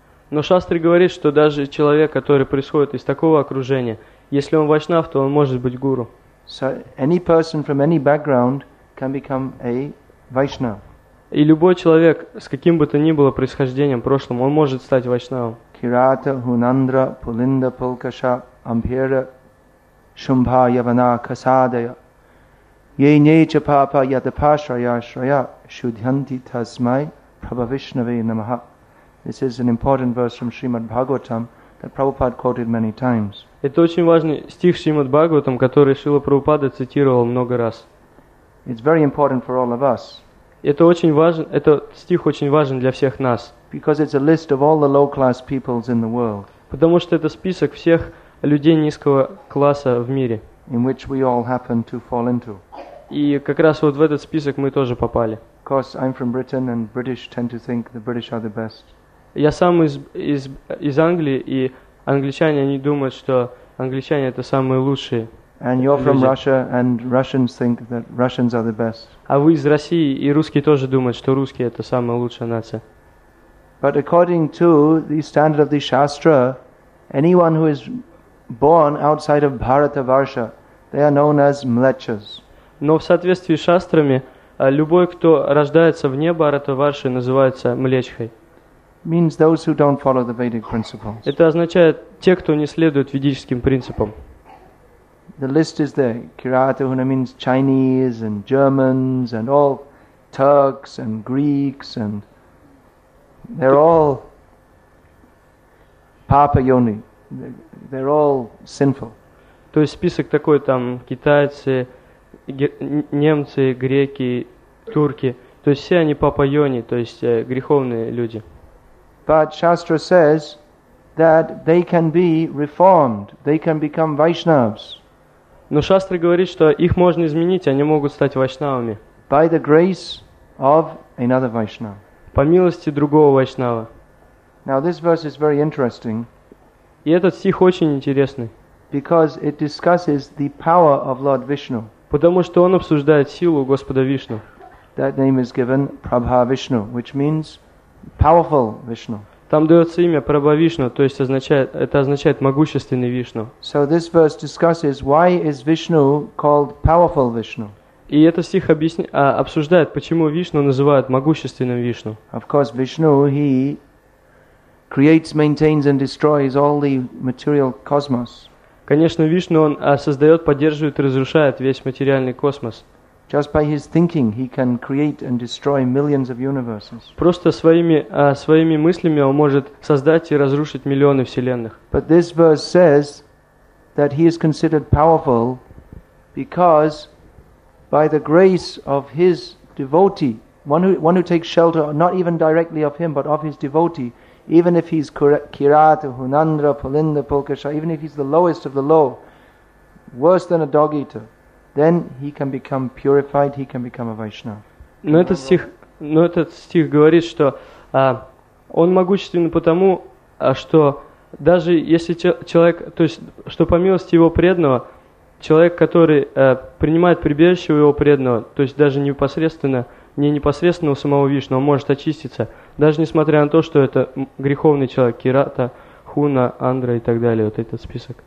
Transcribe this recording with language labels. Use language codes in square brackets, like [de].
[ru] Но Шастра говорит, что даже человек, который происходит из такого окружения, если он Вайшнав, то он может быть гуру. [en] So any person from any background can become a Vaishnav. [ru] И любой человек, с каким бы то ни было происхождением, прошлым, он может стать вайшнавом. [sa] Кирата, Хунандра, Пулинда, Пулкаша, Амбхера, Шумбха, Явана, Касадая. Ей нейча папа, ядапа, шрая, шрая, шудьянти, тасмай, прабхавишнаве, намаха. [en] This is an important verse from Srimad Bhagavatam that Prabhupada quoted many times. [ru] Это очень важный стих Шримад Бхагаватам, который Шрила Прабхупада цитировал много раз. [en] It's very important for all of us. [ru] Это очень важен, этот стих очень важен для всех нас. [en] Because it's a list of all the low-class peoples in the world. [ru] Потому что это список всех людей низкого класса в мире. [en] In which we all happen to fall into. [ru] И как раз вот в этот список мы тоже попали. [en] Of course, I'm from Britain, and British tend to think the British are the best. [ru] Я сам из Англии, и англичане, они думают, что англичане это самые лучшие. [en] And you're from Russia, and Russians think that Russians are the best. [ru] А вы из России, и русские тоже думают, что русские это самая лучшая нация. [en] But according to the standard of the Shastra, anyone who is born outside of Bharatavarsha, they are known as mlechas. [ru] Но в соответствии с шастрами, любой, кто рождается вне Бхаратаварши, называется млечхой. [en] Means those who don't follow the Vedic principles. [ru] Это означает те, кто не следует ведическим принципам. [en] The list is there. Kiratahuna means Chinese and Germans and all Turks and Greeks and they're all papa yoni. They're all sinful. [ru] То есть список такой там китайцы, немцы, греки, турки. То есть все они папа йони, то есть греховные люди. [en] But Shastra says that they can be reformed. They can become Vaishnavas. [ru] Но Шастра говорит, что их можно изменить, они могут стать вайшнавами. [en] By the grace of another Vaishnava. [ru] По милости другого вайшнава. [en] Now this verse is very interesting. [ru] И этот стих очень интересный. [en] Because it discusses the power of Lord Vishnu. [ru] Потому что он обсуждает силу Господа Вишну. [en] That name is given Prabha Vishnu, which means powerful Vishnu. [ru] Там дается имя Прабха Вишну, то есть означает, это означает могущественный Вишну. [en] So this verse discusses why is Vishnu called powerful Vishnu. [ru] И этот стих обсуждает, почему Вишну называют могущественным Вишну. [en] Of course, Vishnu he creates, maintains and destroys all the material cosmos. [ru] Конечно, Вишну он создает, поддерживает, разрушает весь материальный космос. [en] Just by his thinking, he can create and destroy millions of universes. [ru] Просто своими мыслями он может создать и разрушить миллионы вселенных. [en] But this verse says that he is considered powerful because by the grace of his devotee, one who takes shelter, not even directly of him, but of his devotee, even if he's Kirata, Hunandra, Palinda, Pulkasha, even if he's the lowest of the low, worse than a dog eater. Then he can become purified, he can become a Vaishnava. [ru] Но этот стих говорит, что он могуществен потому, что даже если человек, то есть, что по милости его преданного, человек, который принимает прибежище у его преданного, то есть даже непосредственно, не непосредственно у самого Вишну, он может очиститься, даже несмотря на то, что это греховный человек, Кирата, Хуна, Андра и так далее, вот этот список.